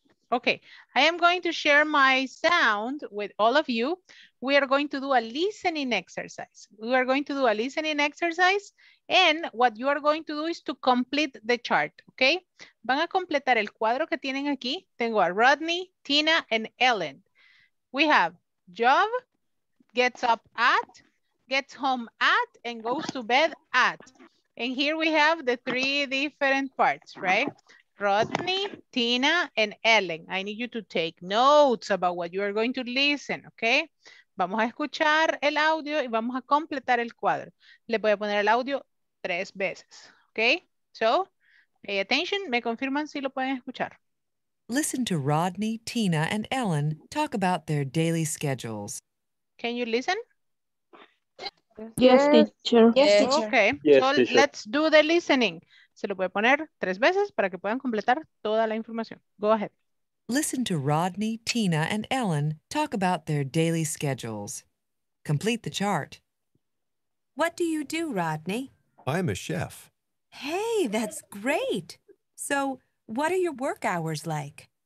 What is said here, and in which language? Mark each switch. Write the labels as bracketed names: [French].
[English] Okay, I am going to share my sound with all of you. We are going to do a listening exercise. We are going to do a listening exercise, and what you are going to do is to complete the chart, okay? [Spanish] Van a completar el cuadro que tienen aquí. Tengo a [English] Rodney, Tina, and Ellen. We have job, gets up at, gets home at, and goes to bed at. And here we have the three different parts, right? Rodney, Tina, and Ellen. I need you to take notes about what you are going to listen, okay? [Spanish] Vamos a escuchar el audio y vamos a completar el cuadro. Le voy a poner el audio tres veces, okay? [English] So, pay attention. [Spanish] Me confirman si lo pueden escuchar. [English] Listen to Rodney, Tina, and Ellen talk about their daily schedules. Can you listen? Yes, teacher. Yes, teacher. Okay, yes, so teacher. Let's do the listening. [Spanish] Se lo puede poner tres veces para que puedan completar toda la información. [English] Go ahead. Listen to Rodney, Tina, and Ellen talk about their daily schedules. Complete the chart. What do you do, Rodney? I'm a chef. Hey, that's great. So, what are your work hours like?